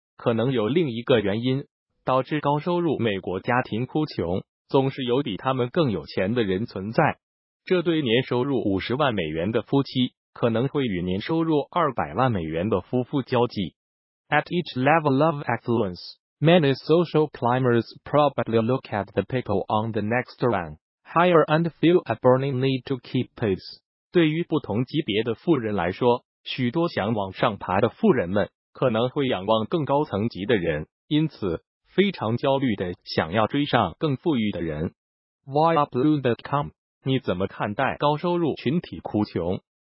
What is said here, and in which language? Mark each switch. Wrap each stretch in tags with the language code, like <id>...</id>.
<zh>可能有另一个原因，导致高收入美国家庭哭穷，总是有比他们更有钱的人存在。这对年收入$500,000的夫妻，可能会与年收入$2,000,000的夫妇交际。</zh> <en>At each level of excellence, many social climbers probably look at the people on the next rung higher and feel a burning need to keep pace.</en> <zh>对于不同级别的富人来说，许多想往上爬的富人们可能会仰望更高层级的人，因此非常焦虑的想要追上更富裕的人。 Via Blue.com， 你怎么看待高收入群体哭穷？</zh>